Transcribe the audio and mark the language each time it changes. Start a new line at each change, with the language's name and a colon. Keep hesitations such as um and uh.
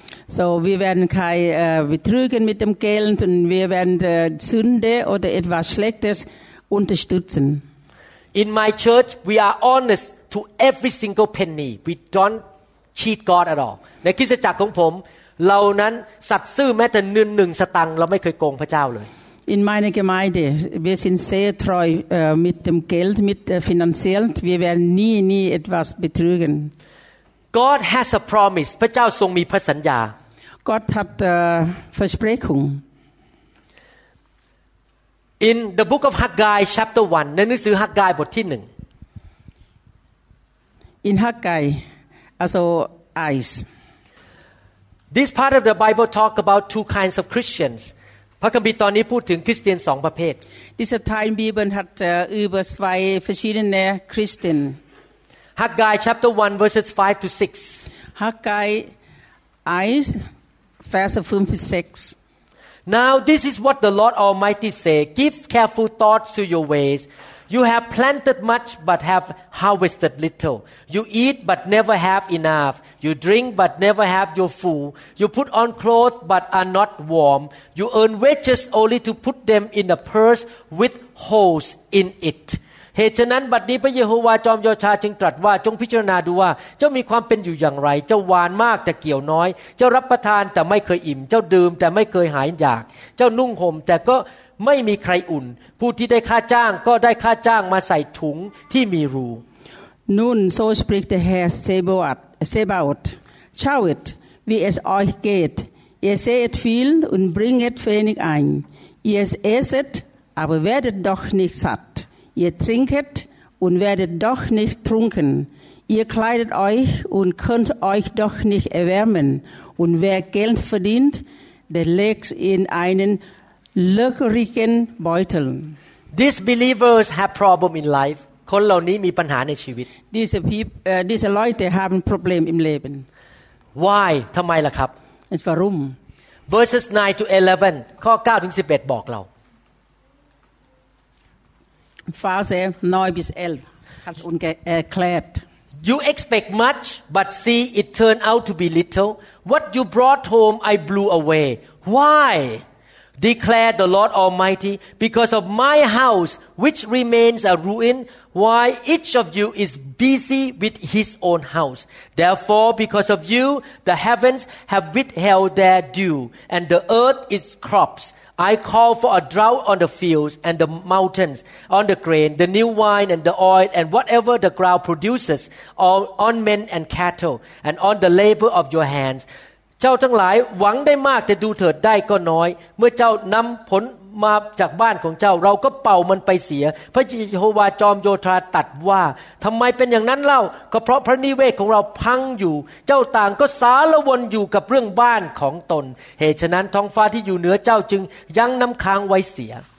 German: So, wir werden kein äh, betrügen mit dem Geld und wir werden äh, Sünde oder etwas Schlechtes unterstützen.
English: In my church, we are honest to every single penny. We don't cheat God at all.
Thai: ในคริสตจักรของผม เรานั้นสัตย์ซื่อแม้แต่เนินหนึ่งสตังค์เราไม่เคยโกงพระเจ้าเลย
German: In meiner Gemeinde, wir sind sehr treu äh, mit dem Geld, mit äh, finanziell. Wir werden nie, nie etwas betrügen.
English: God has a promise
Thai: พระเจ้าทรงมีพระสัญญา
German: Gott hat äh, Versprechung.
English: In the book of Haggai chapter 1
Thai: ในหนังสือฮักกายบทที่หนึ่ง
German: In Haggai, also Eis.
English: This part of the Bible talk about two kinds of Christians
Thai: พระคัมภีร์ตอนนี้พูดถึงคริสเตียนสองประเภท
German: Dieser Teil Bibel hat äh, über zwei verschiedene Christen.
English: ฮักกาย chapter 1 verses 5 to 6
German: Haggai 1, Verse 5 bis 6.
English: Now this is what the Lord Almighty say, give careful thoughts to your ways. You have planted much but have harvested little. You eat but never have enough. You drink but never have your full. You put on clothes but are not warm. You earn wages only to put them in a purse with holes in it.
Thai: เหตุฉะนั้นบัดนี้พระเยโฮวาห์จอมโยชาจึงตรัสว่าจงพิจารณาดูว่า เจ้ามีความเป็นอยู่อย่างไร เจ้าหวานมากแต่เกี่ยวน้อย เจ้ารับประทานแต่ไม่เคยอิ่ม เจ้าดื่มแต่ไม่เคยหายอยาก เจ้านุ่งห่มแต่ก็ไม่มีใครอุ่น ผู้ที่ได้ค่าจ้างก็ได้ค่าจ้างมาใส่ถุงที่มีรู
German: Nun, so spricht der Herr Sebaot. Sebaot. Schaut, wie es euch geht. Ihr seht viel und bringet wenig ein. Ihr esset, aber werdet doch nicht satt. Ihr trinket und werdet doch nicht trunken. Ihr kleidet euch und könnt euch doch nicht erwärmen. Und wer Geld verdient, der legt in einen löcherigen Beutel.
English: These believers have problem in life
Thai: คนเหล่านี้มีปัญหาในชีวิต
German: Diese, Piep, äh, diese Leute haben ein Problem im Leben.
English: why
Thai: ทำไมล่ะครับ
German: Und warum?
English: verses 9 to 11
Thai: ข้อ9ถึง11 บอกเรา
German: Verse 9 bis 11 hat es uns ge- erklärt.
English: You expect much, but see, it turned out to be little. What you brought home, I blew away. Why? Declared the Lord Almighty, because of my house, which remains a ruin, why each of you is busy with his own house. Therefore, because of you, the heavens have withheld their dew, and the earth its crops. I call for a drought on the fields and the mountains, on the grain, the new wine and the oil, and whatever the ground produces, on, on men and cattle, and on the labor of your hands.
Thai: เจ้าทั้งหลายหวังได้มากแต่ดูเถิดได้ก็น้อย เมื่อเจ้านำผลมาจากบ้านของเจ้าเราก็เป่ามันไปเสีย พระเยโฮวาห์จอมโยธาตรัดว่าทำไมเป็นอย่างนั้นเล่าก็เพราะพระนิเวศของเราพังอยู่ เจ้าต่างก็สารวนอยู่กับเรื่องบ้านของตน เหตุฉะนั้นท้องฟ้าที่อยู่เหนือเจ้าจึงยังน้ำค้างไว้เสีย